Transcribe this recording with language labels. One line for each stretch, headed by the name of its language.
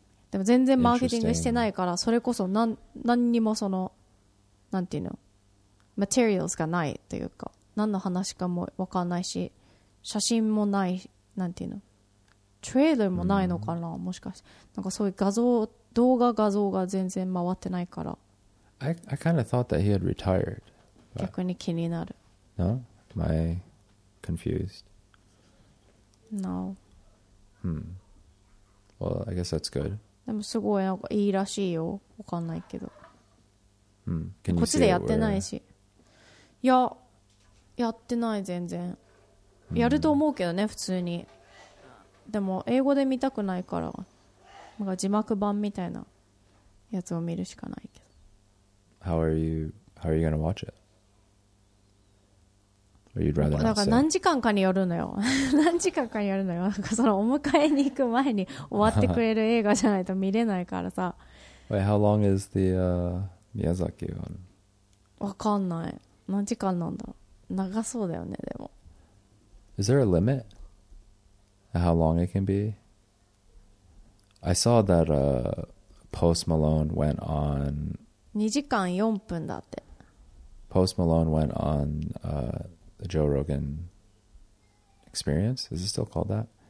Japanese: でも全然マーケティングしてないから、それこそ何にもそのなんていうのマテリアルズがないというか、何の話かも分かんないし、写真もない、なんていうの、トレーラーもないのかな、もしかして。なんかそういう画像、動画画像が全然回ってないから。
English: I kind of thought that he had retired.
Japanese: 逆に気になる。
English: No? Am I confused? No. Hmm. Well, I guess that's good.
Japanese: でもすごいなんかいいらしいよ。わかんないけど。 Hmm. こっちでやってないし。いや、やってない全然。やると思うけどね、普通に。でも英語で見たくないから、なんか字幕版みたいなやつを見るしかないけど。
English: How are you gonna watch it? Or you'd rather not?
Japanese: なんか何時間かによるのよ何時間かによるのよ。なんかそのお迎えに行く前に終わってくれる映画じゃないと見れないからさ。
English: Wait, how long is the Miyazaki one?
Japanese: わかんない、何時間なんだろう。長そうだよね。でも
English: Is there a limit at how long it can be? I saw that Post Malone went on...
Japanese: 2時間4分だって。
English: Post Malone went on the Joe Rogan Experience. Is it still called that?